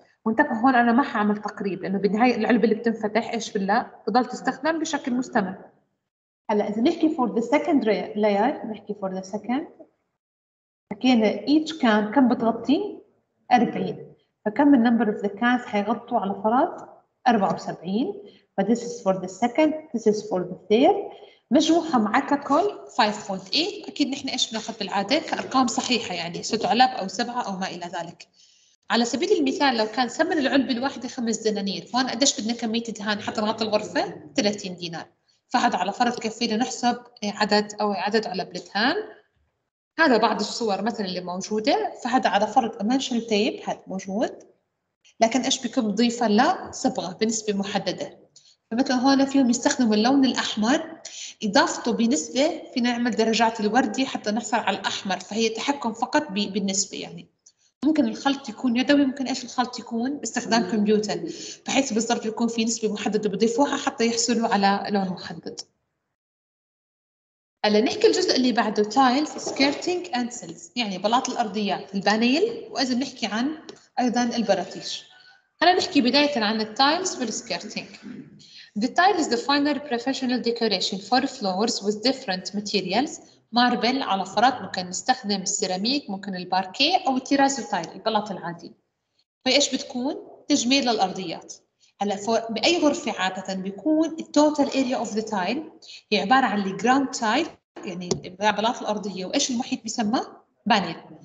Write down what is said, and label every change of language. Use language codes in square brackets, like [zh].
[ar] وانتبه هون أنا ما حعمل تقريب لأنه بالنهاية العلبة اللي بتنفتح إيش بالله بضل تستخدم بشكل مستمر. هلأ إذا نحكي [en] for the second layer، [ar] نحكي for the second، حكينا each can كم بتغطي 40، فكم number of the cans حيغطوا على فرض 74، [en] but this is for the second, this is for the third، [ar] مجموعها معك ككل 5.8. أكيد نحن إيش بناخذ بالعادة كأرقام صحيحة، يعني 6 علب أو 7 أو ما إلى ذلك. على سبيل المثال لو كان ثمن العلبة الواحدة 5 دنانير، فهون قديش بدنا كمية دهان حتى نغطي الغرفة؟ 30 دينار. فهذا على فرض كفينا نحسب عدد أو عدد علب الدهان. هذا بعض الصور مثلا اللي موجودة، فهذا على فرض امانشن تيب هذا موجود، لكن ايش بيكون مضيفة لصبغة بنسبة محددة. فمثلا هون فيهم يستخدموا اللون الأحمر، إضافته بنسبة فينا نعمل درجات الوردي حتى نحصل على الأحمر، فهي تحكم فقط بالنسبة. يعني ممكن الخلط يكون يدوي، ممكن ايش الخلط يكون باستخدام كمبيوتر، بحيث بالضبط يكون في نسبة محددة بضيفوها حتى يحصلوا على لون محدد. هلا نحكي الجزء اللي بعده [en] tiles, skirting and cells، [ar] يعني بلاط الأرضيات البانيل، وإذا نحكي عن أيضا البراتيش. هلا نحكي بداية عن tiles والskirting. [en] The tile is the final professional decoration for floors with different materials. [ar] ماربل على فرض، ممكن نستخدم السيراميك، ممكن الباركي أو التيرازو تايل البلاط العادي. فإيش بتكون؟ تجميل للأرضيات. هلا بأي غرفة عادة بيكون الـ [en] total area of the tile [ar] هي عبارة عن الـ ground tile، يعني بلاط الأرضية، وإيش المحيط بيسمى؟ بانيل.